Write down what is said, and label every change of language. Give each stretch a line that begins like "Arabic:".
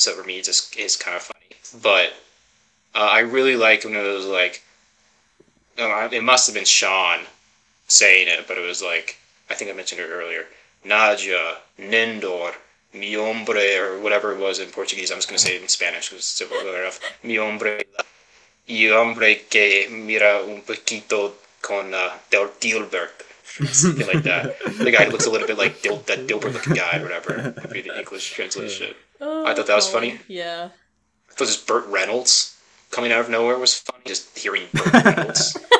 English: So, for me, it just is kind of funny. But I really liked when it was, like, it must have been Sean saying it, but it was, like, I think I mentioned it earlier. Nadia, Nindor,
Spanish: mi hombre,
English: or whatever it was in Portuguese. I'm just going to say it in Spanish because it's simple enough.
Spanish: Mi hombre, y hombre que mira un poquito con del Dilbert.
English: Something like that. The guy who looks a little bit like that Dilbert-looking guy or whatever would be the English translation. Oh, I thought that was funny. Yeah. I thought just Burt Reynolds coming out of nowhere was funny, just hearing Burt Reynolds.